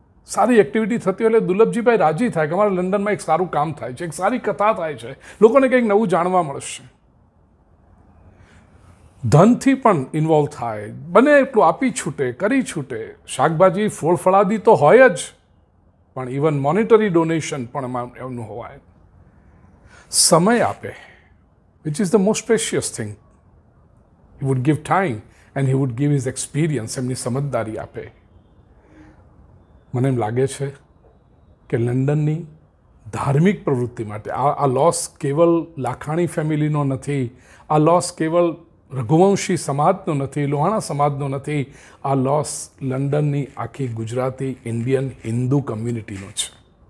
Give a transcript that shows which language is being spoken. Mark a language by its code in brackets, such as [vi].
[gu] સારી એક્ટિવિટી થતી હોય એટલે દુર્લભજીભાઈ રાજી થાય કે અમારે લંડનમાં એક સારું કામ થાય છે, એક સારી કથા થાય છે, લોકોને કંઈક નવું જાણવા મળશે. ધનથી પણ ઇન્વોલ્વ થાય, બને એટલું આપી છૂટે, કરી છૂટે, શાકભાજી ફળ ફળાદી તો હોય જ, પણ ઇવન મોનિટરી ડોનેશન પણ એમનું હોય. સમય આપે, [en] which is the most precious thing. He would give time and he would give his experience, [gu] એમની સમજદારી આપે. મને એમ લાગે છે કે લંડનની ધાર્મિક પ્રવૃત્તિ માટે આ લોસ કેવળ લાખાણી ફેમિલીનો નથી, આ લોસ કેવળ રઘુવંશી સમાજનો નથી, લોહાણા સમાજનો નથી, આ લોસ લંડનની આખી ગુજરાતી ઇન્ડિયન હિન્દુ કમ્યુનિટીનો છે.